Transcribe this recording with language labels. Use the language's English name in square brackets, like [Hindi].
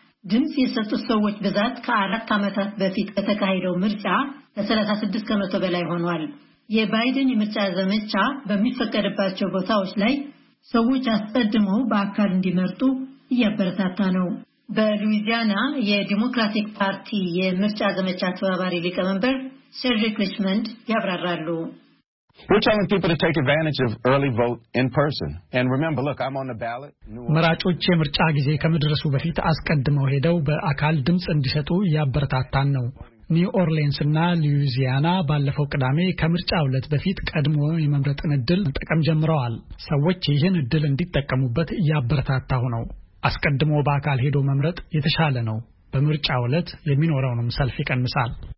[Amharic] ድምጽ የሰጡት ሰዎች ብዛት ከአራት ዓመታት በፊት ከተካሄደው ምርጫ ከ36 ከመቶ በላይ ሆኗል። የባይደን የምርጫ ዘመቻ በሚፈቀድባቸው ቦታዎች ላይ ሰዎች አስቀድመው በአካል እንዲመርጡ እያበረታታ ነው። በሉዊዚያና የዲሞክራቲክ ፓርቲ የምርጫ ዘመቻ ተባባሪ ሊቀመንበር ሴድሪክ ሪችመንድ ያብራራሉ። [English] We're telling people to take advantage of early vote in person. And remember, look, I'm on the ballot. [Amharic] መራጮች የምርጫ ጊዜ ከመድረሱ በፊት አስቀድመው ሄደው በአካል ድምጽ እንዲሰጡ ያበረታታን ነው። ኒው ኦርሊንስ እና ሉዊዚያና ባለፈው ቅዳሜ ከምርጫው ዕለት በፊት ቀድሞ የመምረጥን እድል ተጠቅመው ጀምረዋል። ሰዎች ይህን እድል እንዲጠቀሙበት ያበረታታው ነው። አስቀድሞ በአካል ሄዶ መምረጥ የተሻለ ነው። በምርጫው ዕለት የሚኖረውንም ሰልፍ ይቀንሳል።